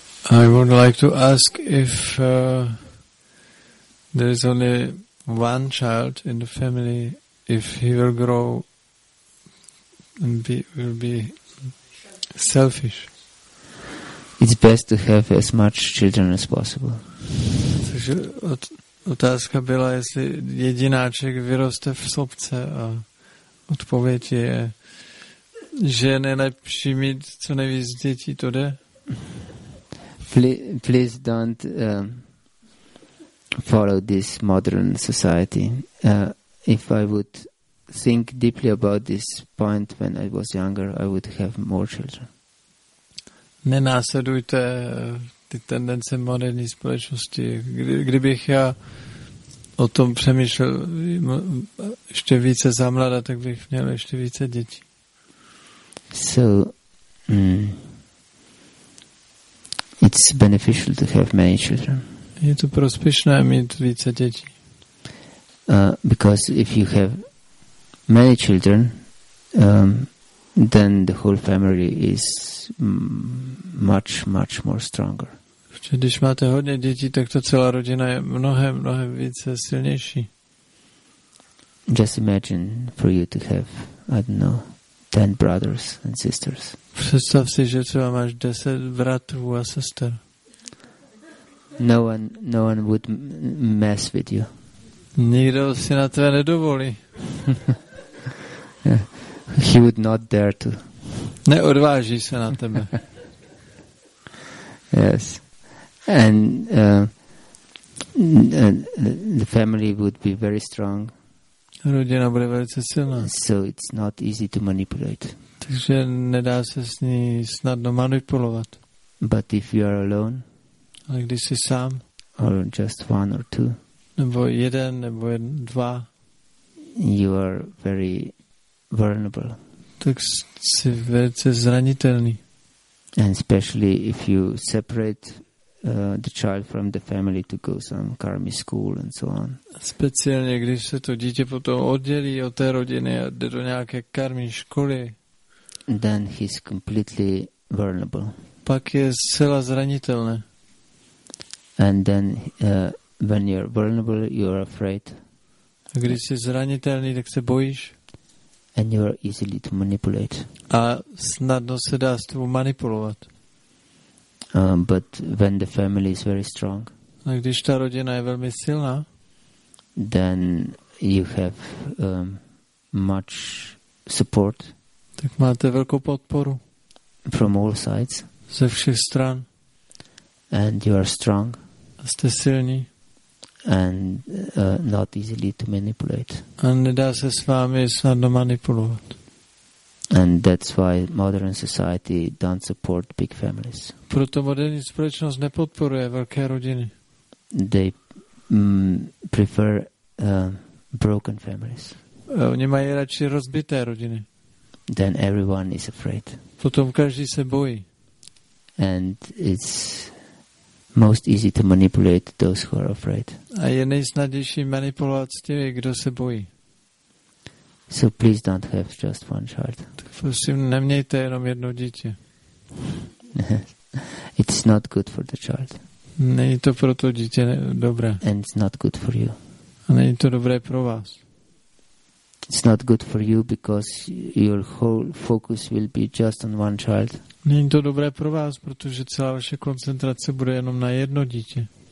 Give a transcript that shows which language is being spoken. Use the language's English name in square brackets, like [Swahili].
[English] I would like to ask if there is only one child in the family, if he will grow and will be selfish. It's best to have as much children as possible. [Czech] Takže otázka byla, jestli jedináček vyroste v sobce a odpověď je, že je nejlepší mít co nejvíc dětí, to jde? [English] Please don't follow this modern society. If I would think deeply about this point when I was younger, I would have more children. [Czech] Nenásledujte ty tendence moderní společnosti. Kdybych já o tom přemýšlel ještě více za mladá, tak bych měl ještě více dětí. [English] So, it's beneficial to have many children. [Czech] Je to prospěšné mít více dětí. [English] Because if you have many children, then the whole family is much, much more stronger. [Czech] Když máte hodně dětí, tak to celá rodina je mnohem, mnohem více silnější. [English] Just imagine for you to have, I don't know, 10 brothers and sisters. [Czech] Představ si, že třeba máš 10 bratrů a sester. [English] No one would mess with you. [Czech] Nikdo si na tebe nedovolí. [English] He would not dare to. [Czech] Neodváží se na tebe. [English] Yes. And the family would be very strong. [Czech] Rodina bude velice silná. [English] So it's not easy to manipulate. [Czech] Takže nedá se s ní snadno manipulovat. [English] But if you are alone, [Czech] ale když jsi sám, [English] or just one or two, [Czech] nebo jeden, nebo dva, [English] you are very vulnerable. [Czech] Tak jsi velice zranitelný. [English] And especially if you separate the child from the family to go some karmi school and so on. [Czech] Speciálně, když se to dítě potom oddělí od té rodiny a jde do nějaké karmi školy, [English] then he's completely vulnerable. [Czech] Pak je zcela zranitelné. [English] And then when you're vulnerable, you're afraid. [Czech] A když jsi zranitelný, tak se bojíš. [English] And you are easily to manipulate. [Czech] A snadno se dá s tebou manipulovat. [English] But when the family is very strong, [Czech] a když ta rodina je velmi silná, [English] then you have much support. [Czech] Tak máte velkou podporu. [English] From all sides. [Czech] Ze všech stran. [English] And you are strong. [Czech] A jste silní. [English] And not easily to manipulate. [Czech] A nedá se s vámi snadno manipulovat. [English] And that's why modern society don't support big families. [Czech] Proto moderní společnost nepodporuje velké rodiny. [English] They prefer broken families. [Czech] Oni mají radši rozbité rodiny. [English] Then everyone is afraid. [Czech] Potom každý se bojí. [English] And it's most easy to manipulate those who are afraid. [Czech] A je nejsnadější manipulovat s těmi, kdo se bojí. [English] So please don't have just one child. [Czech] Prosím, nemějte jenom jedno dítě. [English] It's not good for the child. [Czech] Není to pro to dítě dobré. [English] And it's not good for you. [Czech] A není to dobré pro vás. [English] It's not good for you because your whole focus will be just on one child. [Czech] Není to dobré pro vás, protože celá vaše koncentrace bude jenom na jedno dítě.